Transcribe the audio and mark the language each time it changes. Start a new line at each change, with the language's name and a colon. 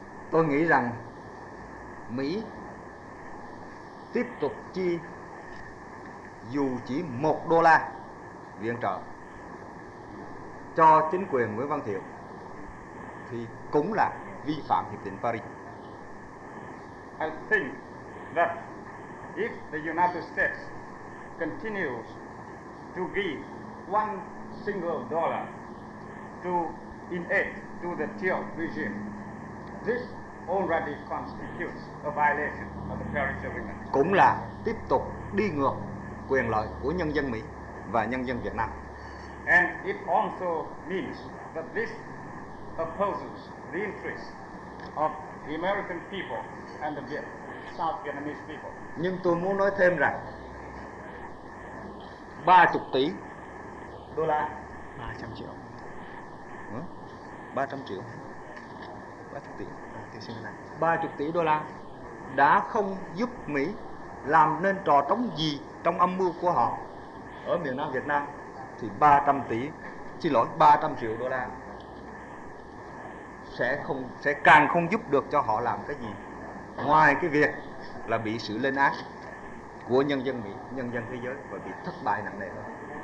Vietnamese: Tôi nghĩ rằng Mỹ tiếp tục chi dù chỉ một đô la viện trợ cho chính quyền Nguyễn Văn Thiệu thì cũng là vi phạm Hiệp định Paris.
English: I think that if the United States continues to give one single dollar to in aid to the Thiệu regime, this already constitutes a violation of the Paris Agreement.
Vietnamese: Cũng là tiếp tục đi ngược quyền lợi của nhân dân Mỹ và nhân dân Việt Nam.
English: And it also means that this opposes the interests of the American people and the South Vietnamese people.
Vietnamese: Nhưng tôi muốn nói thêm rằng 30 tỷ đô la, 300 triệu. 300 triệu. 30 tỷ. 30 tỷ đô la đã không giúp Mỹ làm nên trò trống gì trong âm mưu của họ ở miền Nam Việt Nam, thì 300 triệu đô la sẽ càng không giúp được cho họ làm cái gì ngoài cái việc là bị sự lên án của nhân dân Mỹ, nhân dân thế giới và bị thất bại nặng nề hơn.